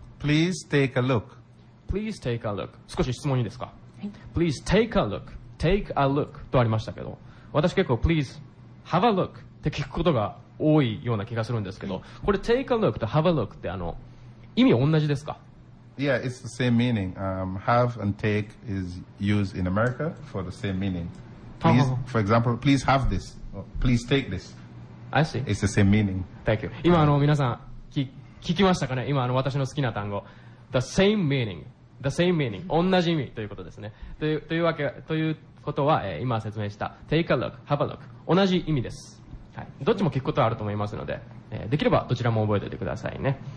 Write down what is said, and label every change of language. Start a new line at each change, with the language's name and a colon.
English: Please take a look. Please take a look.
Japanese: 少し質問いいですか、はい、
English: Please take a look.
Japanese: Take a look とありましたけど、私結構
English: Please have a look
Japanese: って聞くことが多いような気がするんですけど、これ
English: take a look
Japanese: と
English: have a look
Japanese: って意味同じですか？
English: Yeah, it's the same meaning. Have and take is used in America for the same meaning. Please, for example, please have this. Please take this. I see. It's the same meaning. Thank you.
Japanese: 今皆さん聞きましたかね。今私の好きな単語、 the same meaning.
English: The same meaning.
Japanese: 同じ意味ということですね。というわけということは、今説明した
English: take a look, have a look.
Japanese: 同じ意味です。はい。どっちも聞くことはあると思いますので、できればどちらも覚えておいてくださいね。